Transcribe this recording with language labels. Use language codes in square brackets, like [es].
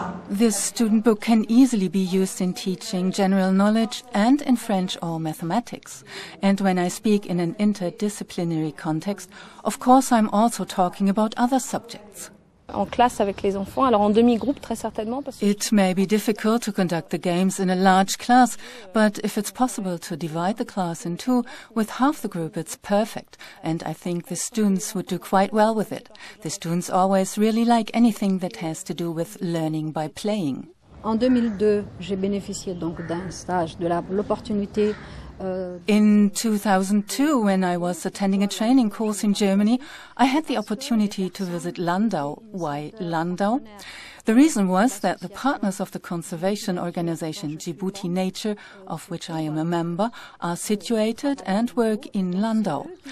[en] This student book can easily be used in teaching general knowledge and in French or mathematics. And when I speak in an interdisciplinary context, of course I'm also talking about other subjects. [fr] En classe avec les enfants, alors en demi-groupe très certainement. [en] It may be difficult to conduct the games in a large class, but if it's possible to divide the class in two with half the group, it's perfect. And I think the students would do quite well with it. The students always really like anything that has to do with learning by playing. [fr] En 2002, j'ai bénéficié donc d'un stage, de l'opportunité. [en] In 2002, when I was attending a training course in Germany, I had the opportunity to visit Landau. Why Landau? The reason was that the partners of the conservation organization Djibouti Nature, of which I am a member, are situated and work in Landau.